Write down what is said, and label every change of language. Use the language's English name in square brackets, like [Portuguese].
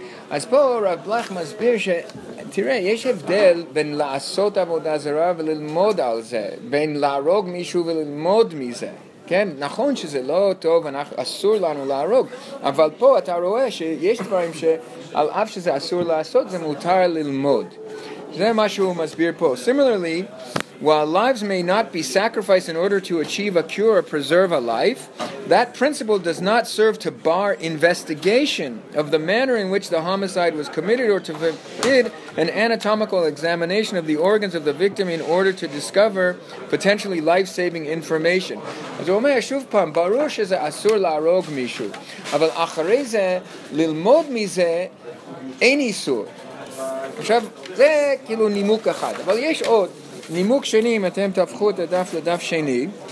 [Hebrew] אז פה רב בלך מסביר ש תראה, יש הבדל בין לעשות עבודה זרה וללמוד על זה, בין להרוג מישהו וללמוד מזה. כן, נכון שזה לא טוב, אסור לנו להרוג, אבל פה אתה רואה שיש דברים שעל אף שזה אסור לעשות, זה מותר ללמוד. זה מה שהוא מסביר פה. [English] Similarly, while lives may not be sacrificed in order to achieve a cure or preserve a life, that principle does not serve to bar investigation of the manner in which the homicide was committed or to forbid an anatomical examination of the organs of the victim in order to discover potentially life-saving information. [Hebrew] אז הוא אומר שוב פעם, ברור שזה אסור להרוג מישהו, אבל אחרי זה, ללמוד מזה, אין איסור. עכשיו, זה כאילו נימוק אחד, אבל יש עוד. נימוק שני, אם אתם תהפכו את הדף לדף שני,